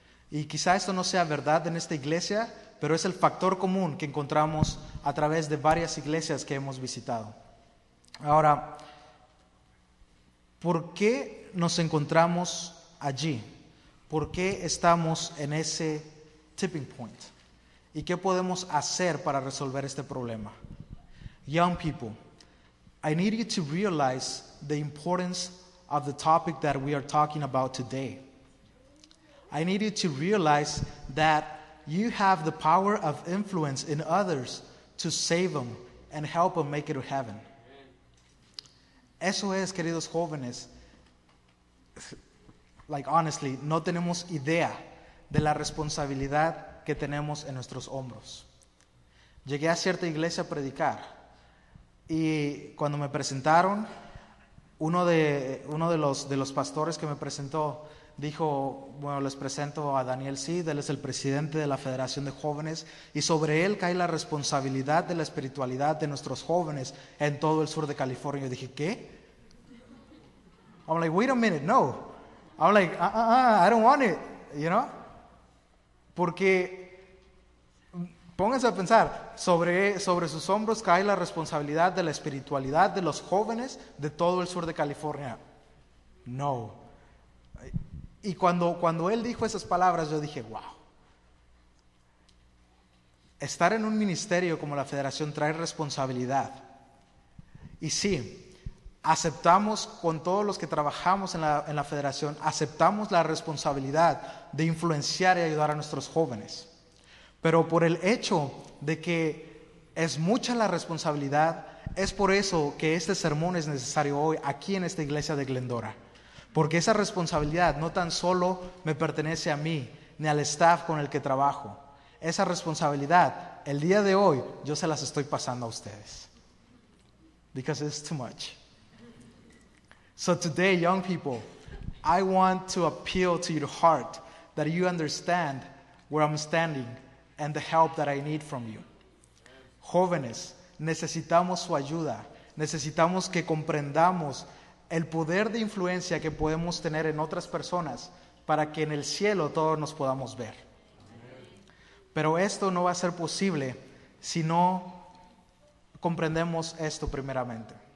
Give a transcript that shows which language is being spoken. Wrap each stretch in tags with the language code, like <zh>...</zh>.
<es>Y quizá esto no sea verdad en esta iglesia, pero es el factor común que encontramos a través de varias iglesias que hemos visitado. Ahora, ¿por qué nos encontramos allí? ¿Por qué estamos en ese tipping point? ¿Y qué podemos hacer para resolver este problema?</es> <en>Young people, I need you to realize the importance of the topic that we are talking about today. I need you to realize that you have the power of influence in others to save them and help them make it to heaven.</en> <es>Eso es, queridos jóvenes.</es> <en>Like, honestly,</en> <es>no tenemos idea de la responsabilidad que tenemos en nuestros hombros. Llegué a cierta iglesia a predicar y cuando me presentaron, uno de los pastores que me presentó dijo, bueno, les presento a Daniel Seed, él es el presidente de la Federación de Jóvenes y sobre él cae la responsabilidad de la espiritualidad de nuestros jóvenes en todo el sur de California. Y dije, ¿qué?</es> <en>I'm like, wait a minute, no. I'm like, I don't want it, you know?</en> <es>Porque, pónganse a pensar, sobre sus hombros cae la responsabilidad de la espiritualidad de los jóvenes de todo el sur de California. No. Y cuando él dijo esas palabras, yo dije, wow. Estar en un ministerio como la Federación trae responsabilidad. Y sí, aceptamos con todos los que trabajamos en la Federación, aceptamos la responsabilidad de influenciar y ayudar a nuestros jóvenes. Pero por el hecho de que es mucha la responsabilidad, es por eso que este sermón es necesario hoy aquí en esta iglesia de Glendora. Porque esa responsabilidad no tan solo me pertenece a mí, ni al staff con el que trabajo. Esa responsabilidad, el día de hoy, yo se las estoy pasando a ustedes.</es> <en>Because it's too much. So today, young people, I want to appeal to your heart that you understand where I'm standing and the help that I need from you.</en> <es>Jóvenes, necesitamos su ayuda. Necesitamos que comprendamos el poder de influencia que podemos tener en otras personas para que en el cielo todos nos podamos ver. Pero esto no va a ser posible si no comprendemos esto primeramente.</es>